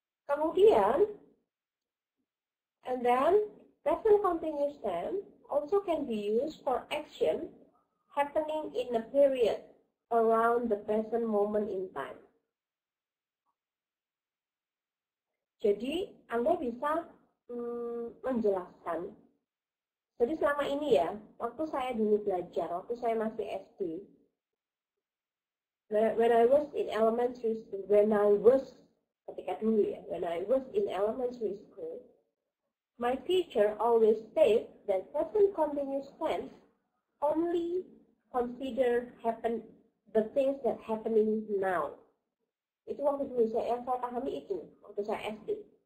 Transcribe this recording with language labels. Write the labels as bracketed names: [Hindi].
[English] Kemudian, and then present continuous tense also can be used for action happening in a period around the present moment in time. [Indonesian] Jadi, Anda bisa menjelaskan. Jadi selama ini ya, waktu saya dulu belajar, waktu saya masih SD, [English] when I was in elementary school, when I was, [Indonesian] ketika dulu ya, [English] when I was in elementary school, my teacher always state that present continuous tense only consider happen the things that happening now. [Indonesian] Itu waktu dulu saya pahami itu, waktu saya SD.